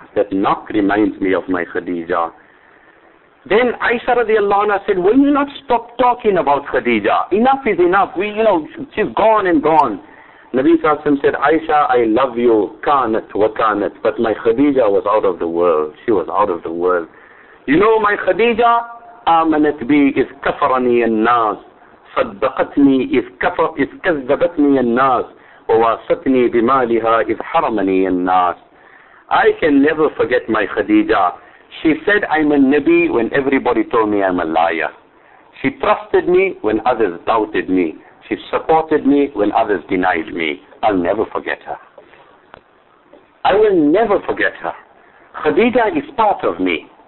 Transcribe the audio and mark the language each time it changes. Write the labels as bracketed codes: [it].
[en] That knock reminds me of my Khadija." Then Aisha radiallahu anha said, "Will you not stop talking about Khadija? Enough is enough. We, you know, she's gone and gone." Nabi sallallahu alaihi wasallam said, "Aisha, I love you, kanat wa kanat, but my Khadija was out of the world. She was out of the world. You know, my Khadija." [ar] آمنت بي إذ كفرني الناس صدقتني إذ كفر إذ كذبتني الناس وواستني بمالها إذ حرمني الناس. [en] I can never forget my Khadija. She said I'm a Nabi when everybody told me I'm a liar. She trusted me when others doubted me. She supported me when others denied me. I'll never forget her. I will never forget her. Khadija is part of me.